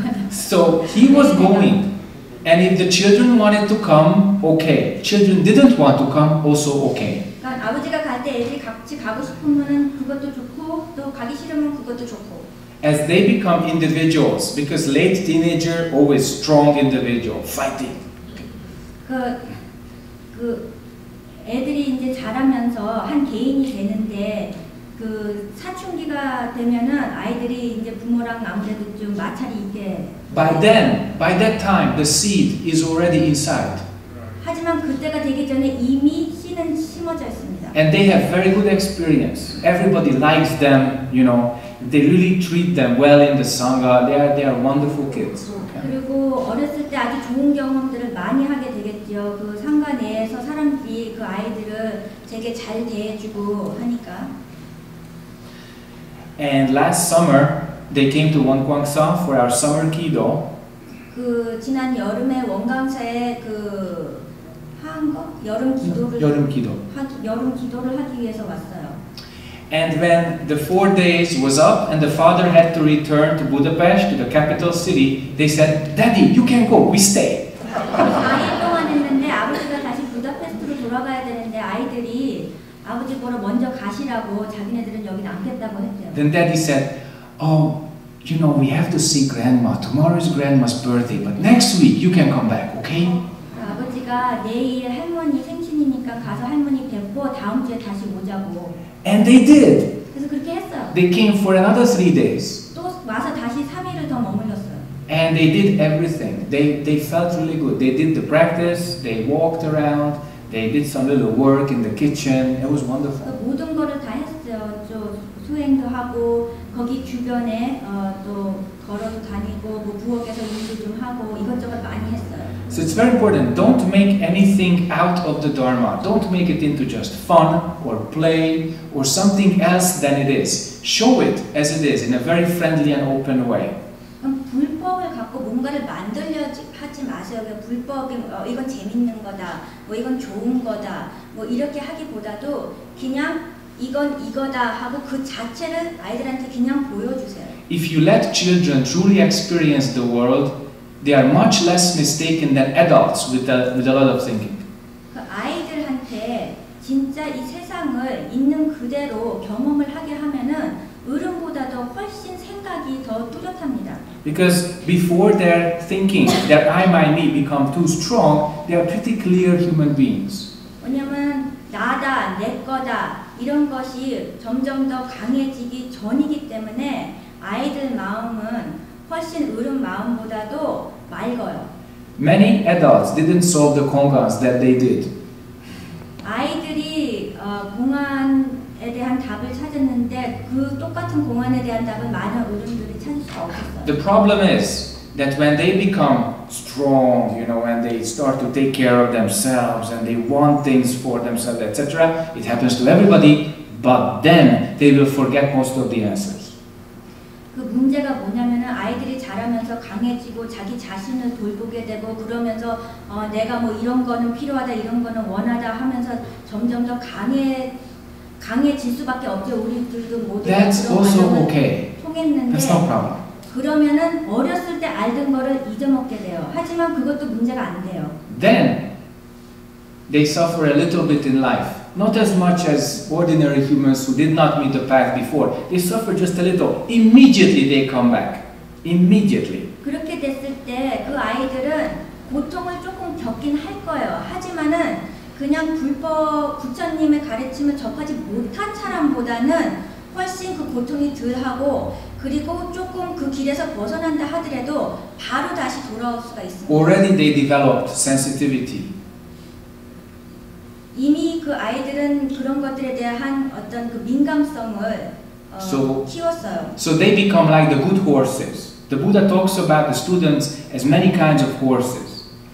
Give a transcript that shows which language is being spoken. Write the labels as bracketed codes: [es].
[en] So he was going, and if the children wanted to come, okay. Children didn't want to come, also okay. [ko] 그러니까 아버지가 갈 때 애들이 같이 가고 싶으면 그것도 좋고 또 가기 싫으면 그것도 좋고. [en] As they become individuals, because late teenager always strong individual fighting. [ko] 그 애들이 이제 자라면서 한 개인이 되는데 그 사춘기가 되면은 아이들이 이제 부모랑 아무래도 좀 마찰이 있게. [en] By that time, the seed is already inside. [ko] 하지만 그때가 되기 전에 이미 씨는 심어져 있습니다. [en] And they have very good experience. Everybody likes them, you know. they really treat them well in the Sangha. They are wonderful kids. Okay. [ko] 그리고 어렸을 때 아주 좋은 경험들을 많이 하게 되겠지요. 그 상가 내에서 사람들이 그 아이들을 되게 잘 대해주고 하니까. [en] And last summer, they came to Wonkwangsa for our summer kido. [ko] 그 지난 여름에 원광사에 그 여름 기도를 하기 위해서 왔어요. [en] And when the 4 days was up and the father had to return to Budapest, to the capital city, they said, "Daddy, you can go. We stay." [ko] 4일 동안 했는데 아버지가 다시 부다페스트로 돌아가야 되는데 아이들이 아버지 보러 먼저 가시라고 자기네들은 여기 남겠다고 했대요. [en] Then daddy said, "Oh, you know, we have to see grandma. Tomorrow is grandma's birthday, but next week you can come back, okay?" [ko] 아버지가 내일 할머니 생신이니까 가서 할머니 뵙고 다음 주에 다시 오자고. [en] And they did. [ko] 그래서 그렇게 했어요. [en] They came for another 3 days. [ko] 또 와서 다시 3일을 더 머물렀어요. [en] And they did everything. They felt really good. They did the practice. They walked around. They did some little work in the kitchen. It was wonderful. [ko] 모든 거를 다 했어요. 저 수행도 하고 거기 주변에 또 걸어도 다니고 뭐 부엌에서 일도 좀 하고 이것저것 많이 했어요. [en] So it's very important. Don't make anything out of the Dharma. Don't make it into just fun or play or something else than it is. Show it as it is in a very friendly and open way. [ko] 불법을 갖고 뭔가를 만들려 하지 마세요. 불법이 이건 재밌는 거다. 뭐 이건 좋은 거다. 뭐 이렇게 하기보다도 그냥 이건 이거다 하고 그 자체를 아이들한테 그냥 보여주세요. [en] If you let children truly experience the world, they are much less mistaken than adults with a lot of thinking. [ko] 그 아이들한테 진짜 이 세상을 있는 그대로 경험을 하게 하면은 어른보다도 훨씬 생각이 더 뚜렷합니다. [en] Because before their thinking, their I, my, me become too strong, they are pretty clear human beings. [ko] 왜냐면 나다, 내 거다 이런 것이 점점 더 강해지기 전이기 때문에 아이들 마음은 훨씬 어른 마음보다도 맑아요. [en] Many adults didn't solve the kongans that they did. [ko] 아이들이 공안에 대한 답을 찾았는데 그 똑같은 공안에 대한 답은 많은 어른들이 찾을 수 없었어요. [en] The problem is that when they become strong, you know, when they start to take care of themselves and they want things for themselves, etc., it happens to everybody, but then they will forget most of the answers. [ko] 그 문제가 뭐냐면은 아이들이 자라면서 강해지고 자기 자신을 돌보게 되고 그러면서 내가 뭐 이런 거는 필요하다 이런 거는 원하다 하면서 점점 더 강해질 수밖에 없죠. 우리들도 모두 [en] That's [ko] 그런 [en] also okay. [ko] 통했는데 [en] That's no problem. [ko] 그러면은 어렸을 때 알던 거를 잊어먹게 돼요. 하지만 그것도 문제가 안 돼요. [en] Then they suffer a little bit in life. Not as much as ordinary humans who did not meet the path before. They suffer just a little. Immediately they come back. Immediately. [ko] 그렇게 됐을 때 그 아이들은 고통을 조금 겪긴 할 거예요. 하지만은 그냥 불법 부처님의 가르침을 접하지 못한 사람보다는 훨씬 그 고통이 덜하고 그리고 조금 그 길에서 벗어난다 하더라도 바로 다시 돌아올 수가 있습니다. [en] Already they developed sensitivity. [ko] 이미 그 아이들은 그런 것들에 대한 어떤 그 민감성을 키웠어요. [en] So they become like the good horses. The Buddha talks about the students as many kinds of horses.